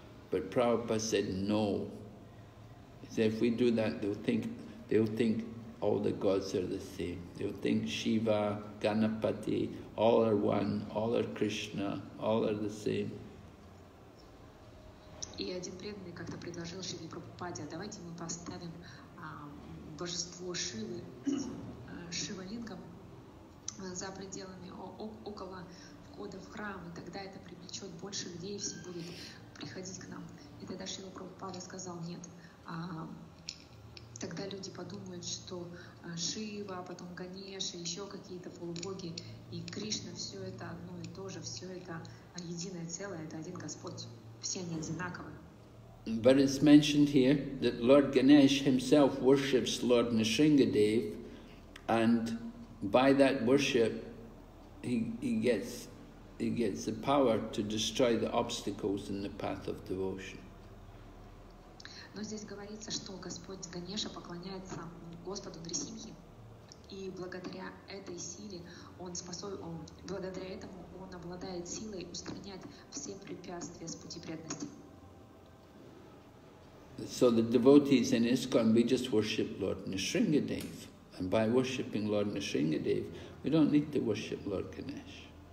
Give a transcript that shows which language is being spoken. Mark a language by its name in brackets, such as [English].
[English] But Prabhupada said no. He said if we do that, they'll think all the gods are the same. They'll think Shiva, Ganapati, all are one, all are Krishna, all are the same. [Russian] И один преданный как-то предложил Шиве Прабхупаде, давайте мы поставим божество Шивы, Шивалингам за пределами, около входа в храм, и тогда это привлечет больше людей, и все будут приходить к нам. И тогда Шива Прабхупада сказал, нет. Тогда люди подумают, что Шива, потом Ганеша, еще какие-то полубоги, и Кришна, все это одно и то же, все это единое целое, это один Господь. [English] But it's mentioned here that Lord Ganesh himself worships Lord Narsingadev, and by that worship, he gets the power to destroy the obstacles in the path of devotion. [Russian] Но здесь говорится, что Господь Ганеша поклоняется Господу Нрисимхе, и благодаря этой силе он способен, благодаря этому он обладает силой устранять все препятствия с пути преданности. [English] So the devotees in ISKCON, we just worship Lord Nrisimhadev. And by worshipping Lord Nrisimhadev, we don't need to worship Lord Ganesh.